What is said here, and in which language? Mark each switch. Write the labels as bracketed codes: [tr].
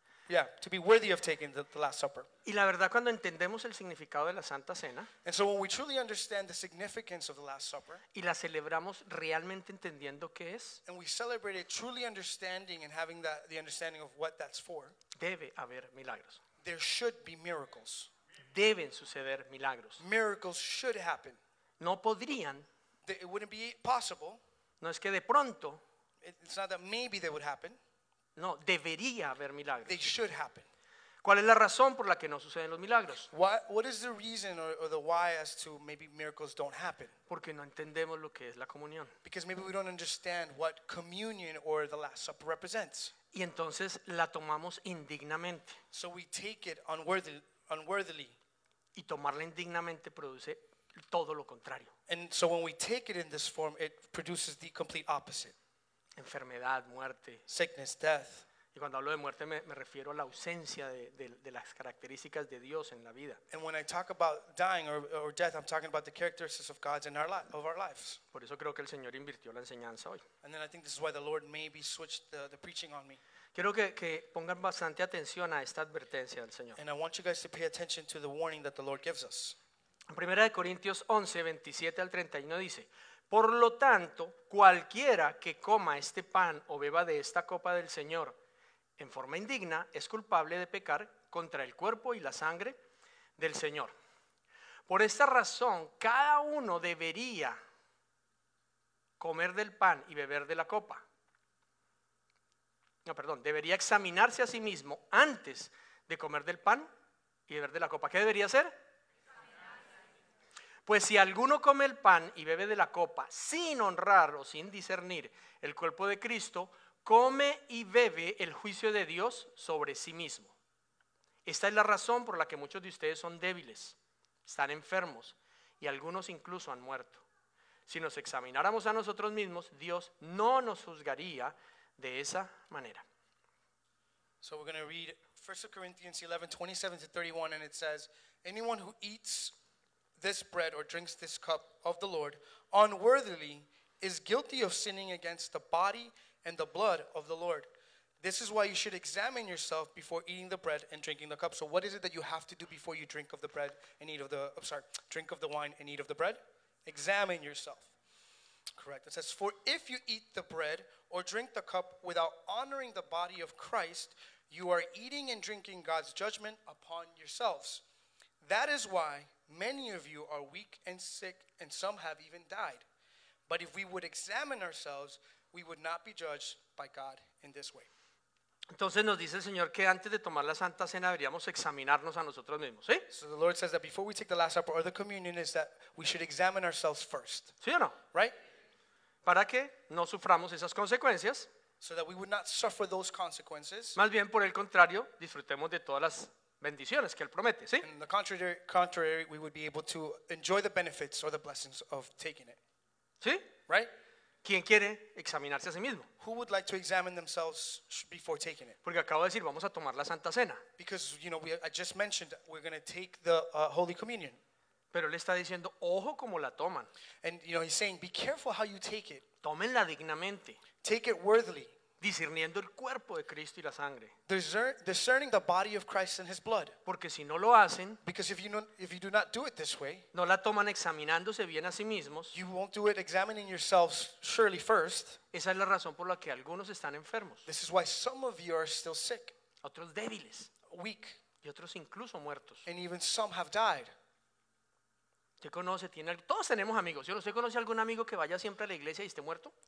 [en] Yeah, to be worthy of taking the Last Supper. [es] Y la verdad, cuando entendemos el significado de la Santa Cena, [en] and so when we truly understand the significance of the Last Supper, [es] y la celebramos realmente entendiendo qué es, [en] and we celebrate it truly understanding and having that, the understanding of what that's for, [es] debe haber milagros. [en] There should be miracles. [es] Deben suceder milagros. [en] Miracles should happen. [es] No podrían. [en] It wouldn't be possible. [es] No es que de pronto. [en] It's not that maybe they would happen. [es] No, debería haber milagros. [en] They should happen. [es] ¿Cuál es la razón por la que no suceden los milagros? [en] What is the reason or the why as to maybe miracles don't happen? [es] Porque no entendemos lo que es la comunión. [en] Because maybe we don't understand what communion or the Last Supper represents. [es] Y entonces la tomamos indignamente. [en] So we take it unworthily. [es] Y tomarla indignamente produce todo lo contrario. [en] And so when we take it in this form, it produces the complete opposite. [es] Enfermedad, muerte. [en] Sickness, death. [es] Y cuando hablo de muerte me refiero a la ausencia de las características de Dios en la vida. [en] And when I talk about dying or death, I'm talking about the characteristics of God in our lives. [es] Por eso creo que el Señor invirtió la enseñanza hoy. [en] And then I think this is why the Lord maybe switched the preaching on me. [es] Quiero que pongan bastante atención a esta advertencia del Señor. [en] And I want you guys to pay attention to the warning that the Lord gives us. [es] En 1 Corintios 11, 27 al 31 dice: Por lo tanto, cualquiera que coma este pan o beba de esta copa del Señor en forma indigna es culpable de pecar contra el cuerpo y la sangre del Señor. Por esta razón, cada uno debería comer del pan y beber de la copa. No, perdón, debería examinarse a sí mismo antes de comer del pan y beber de la copa. ¿Qué debería hacer? Pues si alguno come el pan y bebe de la copa sin honrar o sin discernir el cuerpo de Cristo, come y bebe el juicio de Dios sobre sí mismo. Esta es la razón por la que muchos de ustedes son débiles, están enfermos y algunos incluso han muerto. Si nos examináramos a nosotros mismos, Dios no nos juzgaría de esa manera. [en] So we're going to read 1 Corinthians 11, 27-31, and it says, Anyone who eats this bread or drinks this cup of the Lord unworthily is guilty of sinning against the body and the blood of the Lord. This is why you should examine yourself before eating the bread and drinking the cup. So what is it that you have to do before you drink of the bread and eat of the, drink of the wine and eat of the bread? Examine yourself. Correct. It says, for if you eat the bread or drink the cup without honoring the body of Christ, you are eating and drinking God's judgment upon yourselves. That is why many of you are weak and sick, and some have even died. But if we would examine ourselves, we would not be judged by God in this way. [es] Entonces nos dice el Señor que antes de tomar la Santa Cena deberíamos examinarnos a nosotros mismos, ¿sí? [en] So the Lord says that before we take the Last Supper or the communion is that we should examine ourselves first. [es] ¿Sí o no? [en] Right? [es] Para que no suframos esas consecuencias. [en] So that we would not suffer those consequences. [es] Más bien, por el contrario, disfrutemos de todas las bendiciones que él promete, ¿sí? [en] And the contrary, we would be able to enjoy the benefits or the blessings of taking it. [es] ¿Sí? [en] Right? [es] ¿Quién quiere examinarse a sí mismo? [en] Who would like to examine themselves before taking it? [es] Porque acabo de decir, vamos a tomar la Santa Cena. [en] Because, you know, I just mentioned we're going to take the Holy Communion. [es] Pero él está diciendo, ojo como la toman. [en] And, you know, he's saying, be careful how you take it. [es] Tómenla dignamente. [en] Take it worthily. [es] Discerniendo el cuerpo de Cristo y la sangre. [en] Discerning the body of Christ and his blood. [es] Porque si no lo hacen, [en] because if you do not do it this way, [es] no la toman examinándose bien a sí mismos. [en] You won't do it examining yourselves surely first. [es] Esa es la razón por la que algunos están enfermos. [en] This is why some of you are still sick. [es] Otros débiles. [en] Weak. [es] Y otros incluso muertos. [en] And even some have died. [es] ¿Usted conoce, todos tenemos amigos. ¿Yo usted conoce algún amigo que vaya siempre a la iglesia y esté muerto?